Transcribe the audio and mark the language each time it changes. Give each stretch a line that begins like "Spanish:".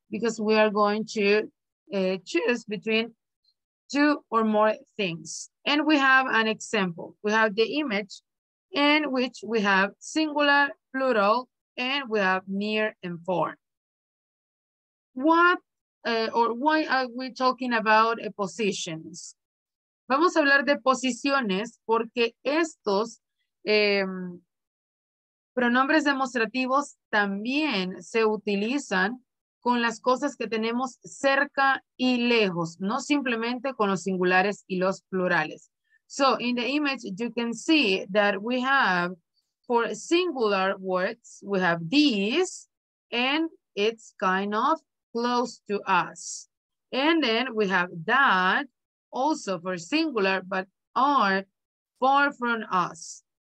English: because we are going to choose between two or more things. And we have an example. We have the image in which we have singular, plural, and we have near and far. What or why are we talking about positions?
Spanish: Vamos a hablar de posiciones porque estos pronombres demostrativos también se utilizan con las cosas que tenemos cerca y lejos, no simplemente con los singulares y los plurales.
English: So in the image, you can see that we have, for singular words, we have these, and it's kind of close to us. And then we have that, also for singular, but are far from us.